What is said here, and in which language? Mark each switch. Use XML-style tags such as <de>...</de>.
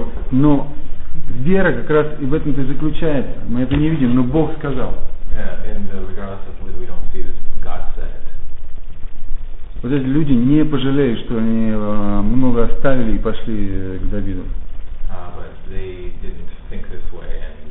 <ru>Но вера как раз и в этом-то и заключается. Мы это не видим, но Бог сказал.</ru> <en>Regardless of whether we don't see this, God said it.</en> <ru>Вот эти люди не пожалеют, что они много оставили и пошли к Давиду.</ru> <en>But they didn't think this way.</en>